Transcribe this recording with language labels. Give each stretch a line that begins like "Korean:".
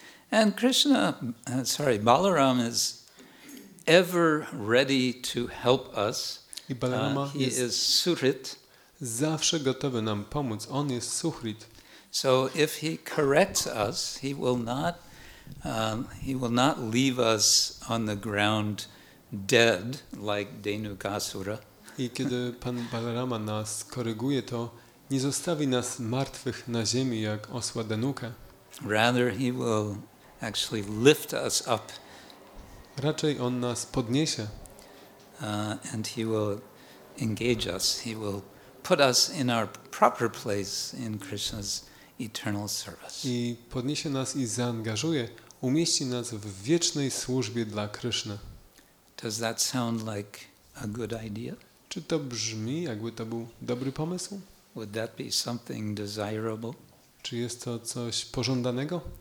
English: And Krishna, sorry, Balaram is ever ready to help us.
Polish: I Balarama
English: is Suhrit.
Polish: Zawsze gotowy nam pomóc. On jest Suhrit.
English: So if he corrects us, he will not leave us on the ground dead like Denugasura.
Polish: I kiedy Pan Balarama nas koryguje, to nie zostawi nas martwych na ziemi jak osła Denuka.
English: Rather he will actually lift us up.
Polish: Raczej on nas podniesie.
English: And he will engage us. He will put us in our proper place in Krishna's eternal service.
Polish: I podniesie nas i zaangażuje, umieści nas w wiecznej służbie dla Krishna.
English: Does that sound like a good idea?
Polish: Czy to brzmi, jakby to był dobry pomysł? Would that be something desirable? Czy jest to coś pożądanego?